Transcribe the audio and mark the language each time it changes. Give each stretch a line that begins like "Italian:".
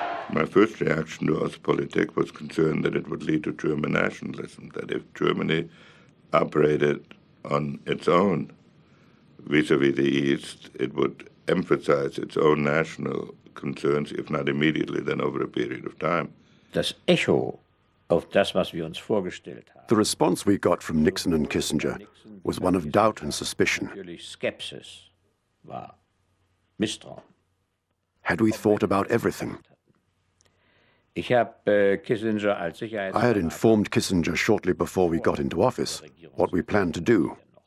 English: My first reaction to Ostpolitik was concern that it would lead to German nationalism, that if Germany operated on its own vis-a-vis the East, it would emphasize its own national concerns, if not immediately, then over a period of time.
German: Das Echo auf das, was wir uns vorgestellt haben.
English: The response we got from Nixon and Kissinger was one of doubt and suspicion.
German: Skepsis war Misstrauen.
English: Had we thought about everything? I had informed Kissinger shortly before we got into office what we planned to do.